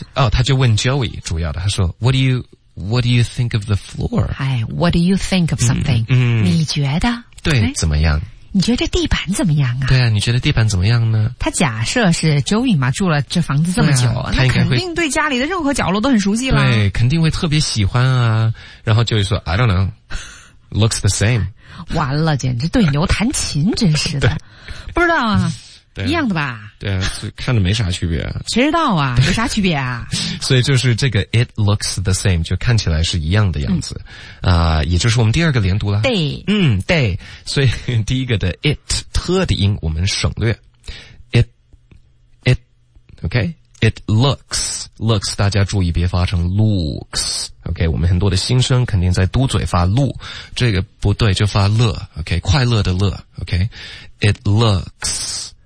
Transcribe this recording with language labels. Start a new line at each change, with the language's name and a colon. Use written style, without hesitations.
Chinese: 哦，他就问 Joey 主要的，他说
English: What do you think of the floor？
Chinese: 哎
English: ，What do you think of something？嗯，
Chinese: 你觉得对、哎、怎么样？你觉得这地板怎么样啊？对啊，你觉得地板怎么样呢？他假设是 Joey 嘛，住了这房子这么久、啊、他肯定对家里的任何角落都很熟悉了。对，肯定会特别喜欢啊。然后
English: Joey 说 I don't know, looks the same.
Chinese: 完了，简直对牛弹琴，真是的。不知道啊。一样的吧，对啊，看着没啥区别、啊、谁知道啊，有啥区别啊所以就是这个
English: it looks the same
Chinese: 就看起来是一样的样子、嗯也就是我们第二个连读了
English: day
Chinese: 嗯 day 所以第一个的 it 特的音我们省略 it OK
English: it looks
Chinese: 大家注意别发成 looks OK 我们很多的新生肯定在嘟嘴发 lu 这个不对就发乐 OK 快乐的乐 OK it looks